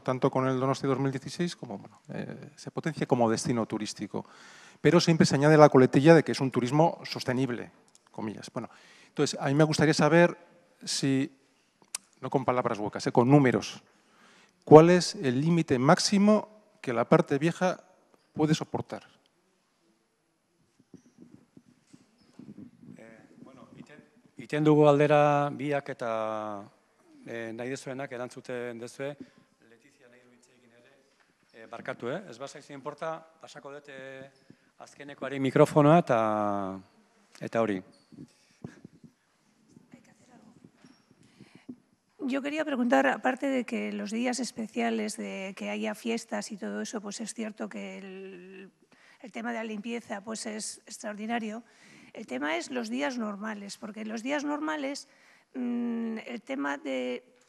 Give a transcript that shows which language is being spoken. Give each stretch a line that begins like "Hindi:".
Spanish: Tanto con el Donosti 2016 como bueno, se potencia como destino turístico, pero siempre se añade la coletilla de que es un turismo sostenible, comillas. Bueno, entonces a mí me gustaría saber si no con palabras huecas, con números. ¿Cuál es el límite máximo que la parte vieja puede soportar?
Basque: Bueno, iten dugu aldera biak eta nahi dezuenak erantzuten dezue. Letizia nahi du hitz egin ere, barkatu, eh? Ez bazaiz inporta, pasako dut azkenekoari mikrofonoa eta hori.
Spanish: Yo quería preguntar, aparte de que los días especiales, de que haya fiestas y todo eso, pues es cierto que el tema de la limpieza pues es extraordinario, el tema es los días normales, porque los días normales, el tema de,